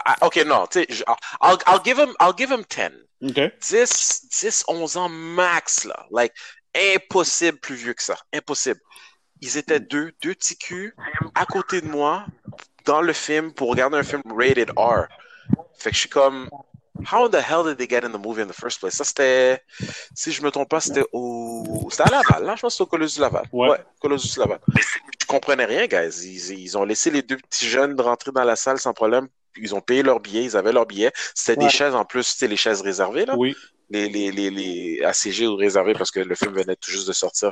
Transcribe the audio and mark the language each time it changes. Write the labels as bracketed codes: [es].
[en] I'll give them 10. Okay. [fr] 10, 11 ans max, là. Like, impossible plus vieux que ça. Impossible. Ils étaient deux petits culs à côté de moi dans le film pour regarder un film rated R. Fait que je suis comme... [en] How the hell did they get in the movie in the first place? [fr] Ça, c'était... Si je me trompe pas, c'était C'était à Laval, là. Je pense que c'était au Colosseum Laval. Ouais. Colosseum Laval. Je comprenais rien, guys. Ils ont laissé les deux petits jeunes rentrer dans la salle sans problème. Ils ont payé leur billet. Ils avaient leur billet. C'était des chaises, en plus. C'était les chaises réservées, là. Oui. Les ACG ou réservées parce que le film venait tout juste de sortir.